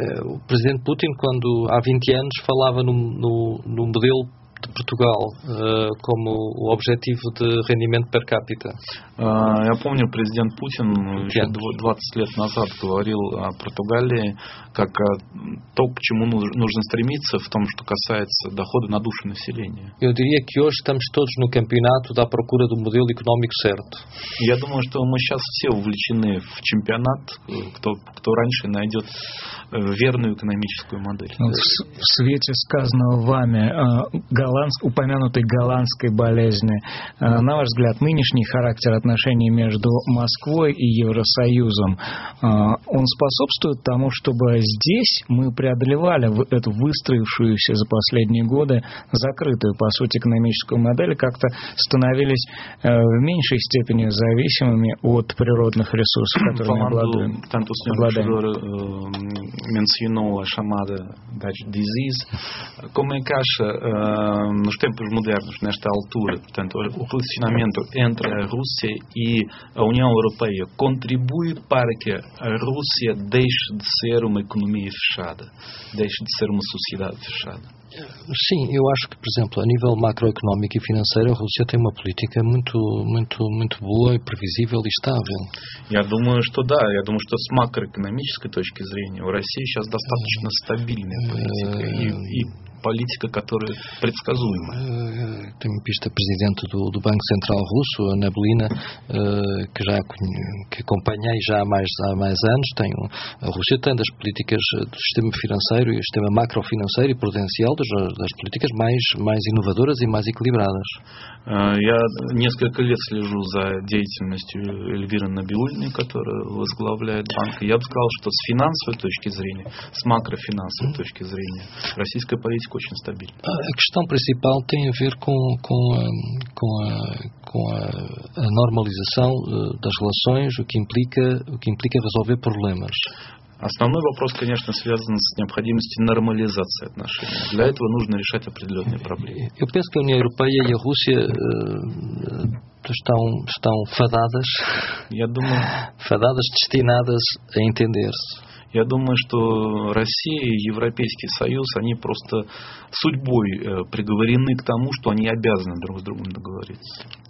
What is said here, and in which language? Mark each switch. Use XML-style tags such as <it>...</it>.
<pt>O presidente Putin, quando há 20 anos, falava no modelo de Portugal como o objetivo de rendimento per capita.</pt> <ru>Я помню, президент Путин 20 лет назад говорил о Португалии как о то, к чему нужно стремиться в том, что касается дохода на душу населения.</ru> <pt>Eu diria que hoje estamos todos no campeonato da procura do modelo económico certo.</pt> <ru>Я думаю, что мы сейчас все вовлечены в чемпионат, кто раньше найдет верную экономическую модель. Ну, в свете сказанного вами, упомянутой голландской болезни, на ваш взгляд, нынешний характер отношений между Москвой и Евросоюзом, он способствует тому, чтобы здесь мы преодолевали эту выстроившуюся за последние годы закрытую, по сути, экономическую модель, как-то становились в меньшей степени зависимыми от природных ресурсов, которыми обладаем.</ru> <pt>Mencionou a chamada Dutch disease. Como é que acha nos tempos modernos, nesta altura, portanto, o relacionamento entre a Rússia e a União Europeia contribui para que a Rússia deixe de ser uma economia fechada, deixe de ser uma sociedade fechada? Sim, eu acho que, por exemplo, a nível macroeconómico e financeiro, a Rússia tem uma política muito, muito, muito boa e previsível e estável. Eu acho que</pt> <ru>с макроэкономической точки зрения, a Rússia сейчас достаточно стабильная политика, которая предсказуема.</ru> <pt>Tem visto a presidente do Banco Central Russo, a Nabulina, que acompanhei já há mais anos. A Rússia tem das políticas do sistema financeiro e do sistema macrofinanceiro e prudencial das políticas mais inovadoras e mais equilibradas.</pt> <ru>Я несколько лет слежу за деятельностью Эльвиры Набиуллиной, которая возглавляет банк. Я бы сказал, что с финансовой точки зрения, с макрофинансовой точки зрения, российская политика очень стабильна.</ru> <pt>A questão principal tem a ver com a normalização das relações, o que implica resolver problemas.</pt> <ru>Основной вопрос, конечно, связан с необходимостью нормализации отношений. Для этого нужно решать определенные проблемы.</ru> <pt>Eu penso que a União Europeia e a Rússia estão fadadas. Fadadas, destinadas a entender-se.</pt> <ru>Я думаю, что Россия и Европейский Союз, они просто судьбой приговорены к тому, что они обязаны друг с другом договориться.</ru>